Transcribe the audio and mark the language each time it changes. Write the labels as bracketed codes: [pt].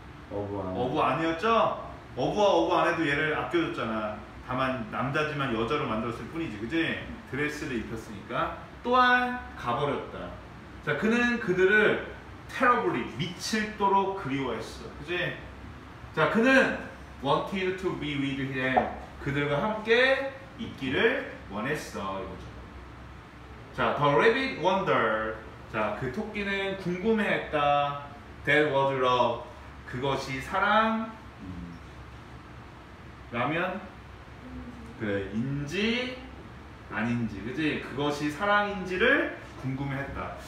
[ko] 어부 아내. 어부 아내였죠? 어부와 어부 아내도 얘를 아껴줬잖아. 다만 남자지만 여자로 만들었을 뿐이지. 그지? 드레스를 입혔으니까. 또한 가버렸다. 자, 그는 그들을 terribly, 미칠도록 그리워했어. 그지? [en] 자, [ko] 그는 [en] wanted to be with him. [ko] 그들과 함께 있기를 원했어. 이거죠. [en] 자, the rabbit wondered. [ko] 자, 그 토끼는 궁금해했다. [en] That was love. [ko] 그것이 사랑. 라면 그래인지 아닌지 그지 그것이 사랑인지를 궁금해했다.